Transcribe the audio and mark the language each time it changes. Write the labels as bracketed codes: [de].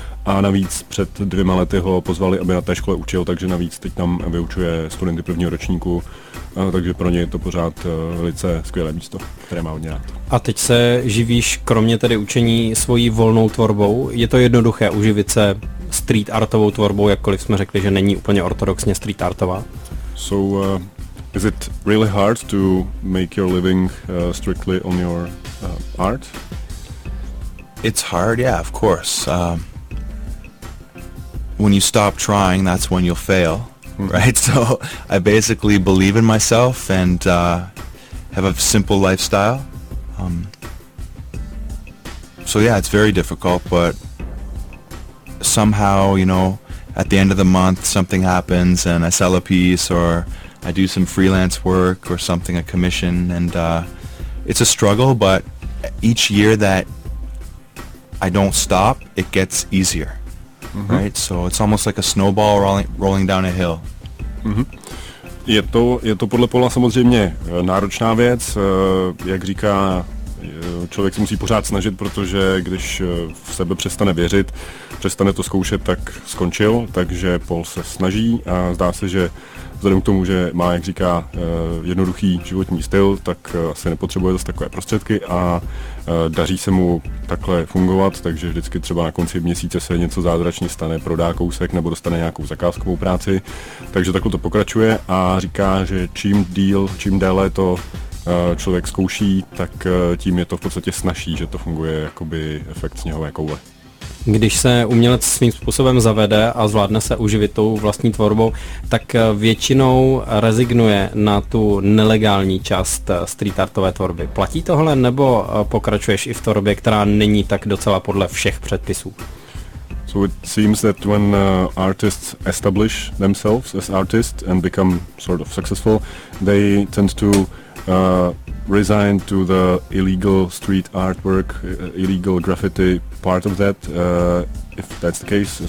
[cs] A navíc před 2 lety ho pozvali, aby na té škole učil, takže navíc teď tam vyučuje studenty prvního ročníku. Takže pro něj je to pořád velice skvělé místo, které má hodně rád. A teď se živíš, kromě tedy učení, svojí volnou tvorbou. Je to jednoduché uživit se street artovou tvorbou, jakkoliv jsme řekli, že není úplně ortodoxně street artová? [en] So, is it really hard to make your living strictly on your art? It's hard, yeah, of course. When you stop trying, that's when you'll fail. Right, so I basically believe in myself and have a simple lifestyle. It's very difficult, but somehow, you know, at the end of the month something happens and I sell a piece or I do some freelance work or something, a commission, and it's a struggle, but each year that I don't stop, it gets easier, mm-hmm. right? So it's almost like a snowball rolling down a hill. Mm-hmm. [cs] Je to podle Paula samozřejmě náročná věc, jak říká, člověk se musí pořád snažit, protože když v sebe přestane věřit, přestane to zkoušet, tak skončil, takže Paul se snaží a zdá se, že vzhledem k tomu, že má, jak říká, jednoduchý životní styl, tak asi nepotřebuje zase takové prostředky a daří se mu takhle fungovat, takže vždycky třeba na konci měsíce se něco zázračně stane, prodá kousek nebo dostane nějakou zakázkovou práci, takže takhle to pokračuje a říká, že čím déle to člověk zkouší, tak tím je to v podstatě snažší, že to funguje jakoby efekt sněhové koule. Když se umělec svým způsobem zavede a zvládne se uživit tou vlastní tvorbou, tak většinou rezignuje na tu nelegální část street artové tvorby. Platí tohle nebo pokračuješ i v tvorbě, která není tak docela podle všech předpisů? [en] So it seems that when artists establish themselves as artists and become sort of successful, they tend to resign to the illegal street artwork, illegal graffiti part of that, if that's the case.